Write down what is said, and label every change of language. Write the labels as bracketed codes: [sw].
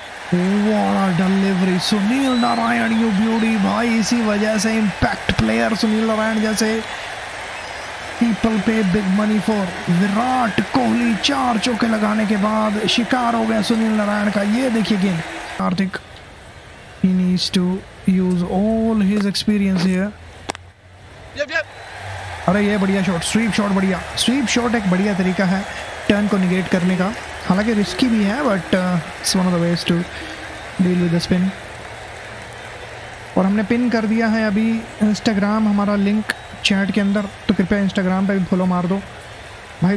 [en] What a delivery, Sunil Narayan, you beauty, [hi] भाई इसी वजह से [en] impact player Sunil Narayan जैसे people pay big money for। [hi] Virat Kohli चार चौके लगाने के बाद शिकार हो गया Sunil Narayan का। ये देखिए गेंद, Karthik [en] he needs to use all his experience here। [hi] अरे ये बढ़िया shot, sweep shot बढ़िया, sweep shot एक बढ़िया तरीका है turn को negate करने का, हालांकि रिस्की भी है [en] But it's one of the ways to deal with the spin. [hi] और हमने पिन कर दिया है अभी इंस्टाग्राम हमारा लिंक चैट के अंदर, तो कृपया इंस्टाग्राम पे भी फॉलो मार दो भाई।